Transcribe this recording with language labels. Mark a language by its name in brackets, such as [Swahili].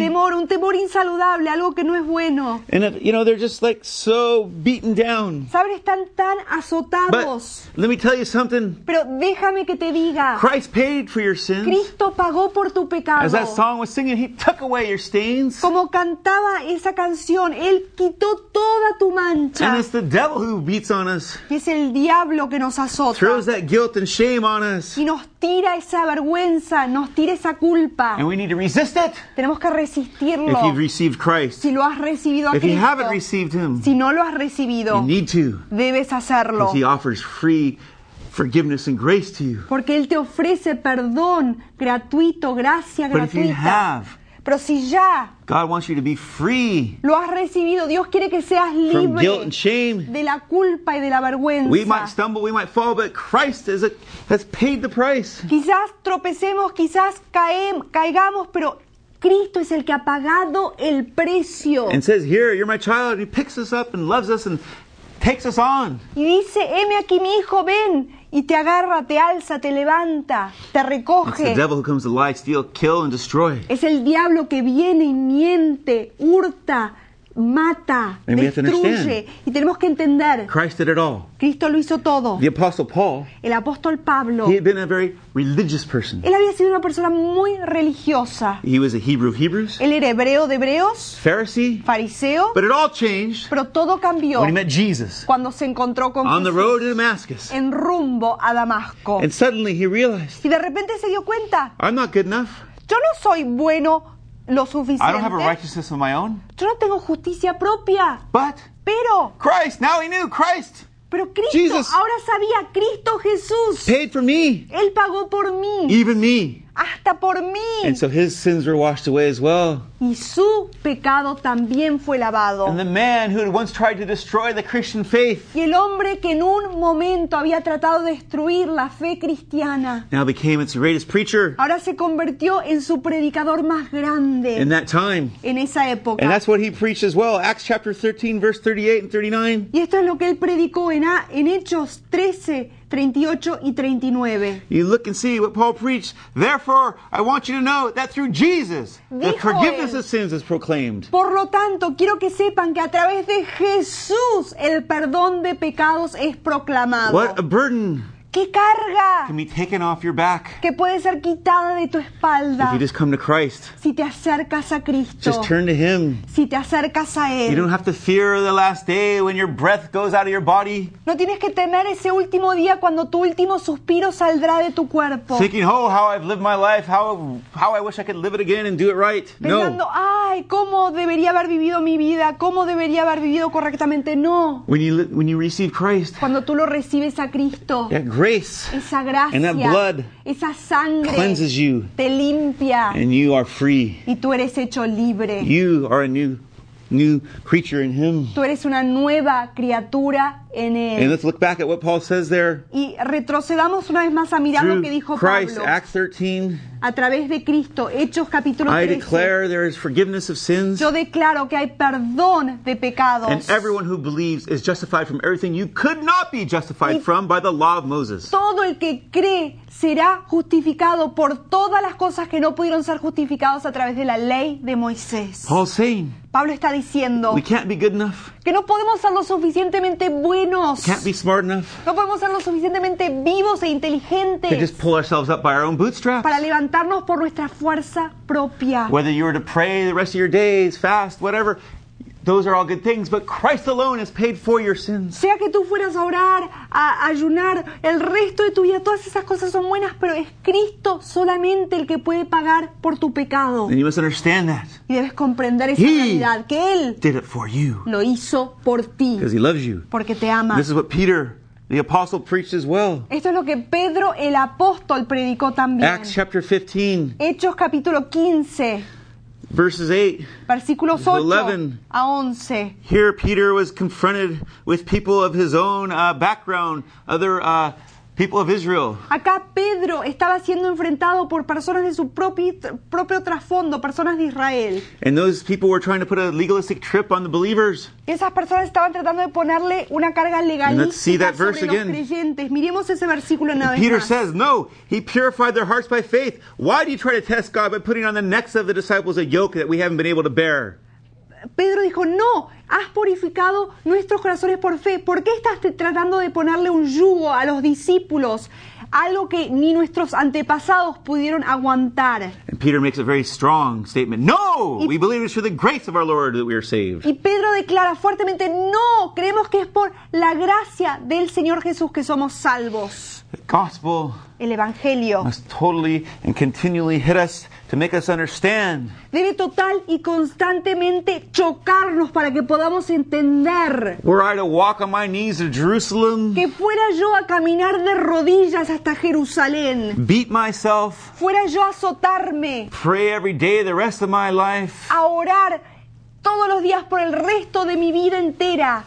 [Spanish] temor, un temor insaludable, algo que no es bueno, [English] and you know they're just like so beaten down, [Spanish] saben, están tan azotados. [English] But let me tell you something, [Spanish] pero déjame que te diga, [English] Christ paid for your sins, [Spanish] Cristo pagó por tu pecado. [English] As that song was singing, he took away your stains, [Spanish] como cantaba esa canción, él quitó toda tu mancha. [English] And it's the devil who beats on us, [Spanish] y es el diablo que nos azota, [English] throws that guilt and shame on us, [Spanish] y nos tira esa vergüenza, nos tira esa culpa. [English] And we need to resist it. [Spanish] Tenemos que resistirlo. [English] If you've received Christ, [Spanish] si lo has recibido a [English] if [Spanish] Cristo, [English] you haven't received him, [Spanish] si no lo has recibido, [English] you need to, [Spanish] debes hacerlo. [English] Because he offers free forgiveness and grace to you. [Spanish] Porque él te ofrece perdón gratuito, gracia [English] but [Spanish] gratuita. [English] If you have, [Spanish] pero si ya, [English] God wants you to be free, [Spanish] lo has recibido, Dios quiere que seas libre [English] from guilt and shame, [Spanish] de la culpa y de la vergüenza. [English] We might stumble, we might fall, but Christ has paid the price. [Spanish] Quizás tropecemos, quizás caigamos, pero Cristo es el que ha pagado el precio. [English] And says, here, you're my child, and he picks us up and loves us and takes us on. [Spanish] Y dice, heme aquí mi hijo, ven. Y te agarra, te alza, te levanta, te recoge. [English] It's the devil who comes to lie, steal, kill, and destroy. [Spanish] Es el diablo que viene y miente, hurta, mata, [English] and [Spanish] destruye. Y tenemos que entender. [English] Christ did it all. [Spanish] Cristo lo hizo todo. [English] The apostle Paul, [Spanish] el apóstol Pablo, [English] he had been a very religious person. [Spanish] Él había sido una persona muy religiosa. [English] He was a Hebrew of Hebrews. [Spanish] Él era hebreo de hebreos. [English] Pharisee. [Spanish] Fariseo. [English] But it all changed. [Spanish] Pero todo cambió. [English] When he met Jesus. [Spanish] Cuando se encontró con [English] Jesús. On the road to Damascus. [Spanish] En rumbo a Damasco. [English] And suddenly he realized. [Spanish] Y de repente se dio cuenta. [English] I'm not good enough. [Spanish] Yo no soy bueno lo suficiente. [English] I don't have a righteousness of my own. [Spanish] Yo no tengo justicia propia. [English] But. [Spanish] Pero. [English] Christ. Now he knew Christ. [Spanish] Pero Cristo, [English] Jesus, [Spanish] ahora sabía, Cristo Jesús, [English] paid for me. [Spanish] Él pagó por mí. [English] Even me. [Spanish] Hasta por mí. [English] And so his sins were washed away as well. [Spanish] Y su pecado también fue lavado. [English] And the man who had once tried to destroy the Christian faith, [Spanish] y el hombre que en un momento había tratado de destruir la fe cristiana, [English] now became its greatest preacher. [Spanish] Ahora se convirtió en su predicador más grande. [English] In that time. [Spanish] En esa época. [English] And that's what he preached as well. Acts chapter 13, verse 38 and 39. [Spanish] Y esto es lo que él predicó en Hechos 13, 38 y 39. [English] You look and see what Paul preached. Therefore, I want you to know that through Jesus, [Spanish] dijo [English] the forgiveness [Spanish] él, [English] of sins is proclaimed. [Spanish] Por lo tanto, quiero que sepan que a través de Jesús el perdón de pecados es proclamado. [English] What a burden! [Spanish] ¿Qué carga [English] can be taken off your back? [Spanish] Que puede ser quitada de tu espalda. [English] If you just come to Christ. [Spanish] Si te acercas a Cristo. [English] Just turn to Him. [Spanish] Si te acercas a Él. [English] You don't have to fear the last day when your breath goes out of your body. [Spanish] No tienes que temer ese último día cuando tu último suspiro saldrá de tu cuerpo. [English] Thinking, oh, how I've lived my life, how I wish I could live it again and do it right. [Spanish] Pensando, no. Ay, cómo debería haber vivido mi vida, cómo debería haber vivido correctamente. No. [English] When you receive Christ. [Spanish] Cuando tú lo recibes a Cristo. [English] Grace [Spanish] esa gracia, [English] and that blood [Spanish] esa sangre [English] cleanses you [Spanish] te limpia, [English] and you are free. [Spanish] Y tú eres hecho libre. [English] You are a new creature in Him. [Spanish] Tú eres una nueva criatura en él. [English] And let's look back at what Paul says there. [Spanish] Y retrocedamos una vez más a mirar [English] through [Spanish] lo que dijo [English] Christ, [Spanish] Pablo. [English] Acts 13. [Spanish] A través de Cristo, Hechos capítulo 13. [English] I declare there is forgiveness of sins. [Spanish] Yo declaro que hay perdón de pecados. [English] And everyone who believes is justified from everything you could not be justified from by the law of Moses. [Spanish] Todo el que cree será justificado por todas las cosas que no pudieron ser justificados a través de la ley de Moisés. [English] Paul's saying. [Spanish] Pablo está diciendo. [English] We can't be good enough. [Spanish] Que no podemos ser lo suficientemente buenos. [English] Can't be smart enough. [Spanish] No podemos ser lo suficientemente vivos e inteligentes. [English] To just pull ourselves up by our own bootstraps. [Spanish] Para levantarnos por nuestra fuerza propia. [English] Whether you were to pray the rest of your days, fast, whatever. Those are all good things, but Christ alone has paid for your sins. [Spanish] Sea que tú fueras a orar, a ayunar, el resto de tu vida, todas esas cosas son buenas, pero es Cristo solamente el que puede pagar por tu pecado. [English] And you must understand that. [Spanish] Y debes comprender esa realidad, que Él [English] did it for you. [Spanish] Lo hizo por ti. [English] Because He loves you. [Spanish] Porque te ama. [English] This is what Peter, the apostle, preached as well. [Spanish] Esto es lo que Pedro, el apóstol, predicó también. [English] Acts chapter 15. [Spanish] Hechos capítulo 15. [English] Verses 8-11. Here Peter was confronted with people of his own background, other people of Israel. [Spanish] Acá Pedro estaba siendo enfrentado por personas de su propio trasfondo, personas de Israel. [English] And those people were trying to put a legalistic trip on the believers. [Spanish] Esas personas estaban tratando de ponerle una carga legalista sobre los creyentes. [English] And let's see that verse again. [Spanish] Miremos ese versículo una vez más. [English] Peter says, no, he purified their hearts by faith. Why do you try to test God by putting on the necks of the disciples a yoke that we haven't been able to bear? [Spanish] Pedro dijo, no, has purificado nuestros corazones por fe. ¿Por qué estás tratando de ponerle un yugo a los discípulos? Algo que ni nuestros antepasados pudieron aguantar. [English] And Peter makes a very strong statement. No, we believe it's through the grace of our Lord that we are saved. [Spanish] Y Pedro declara fuertemente, no, creemos que es por la gracia del Señor Jesús que somos salvos. [English] The gospel, [Spanish] el evangelio, [English] must totally and continually hit us to make us understand. [Spanish] Debe total y constantemente chocarnos para que podamos entender. [English] Were I to walk on my knees to Jerusalem, [Spanish] que fuera yo a caminar de rodillas hasta Jerusalén, [English] beat myself, [Spanish] fuera yo a azotarme, [English] pray every day the rest of my life, [Spanish] a orar todos los días por el resto de mi vida entera.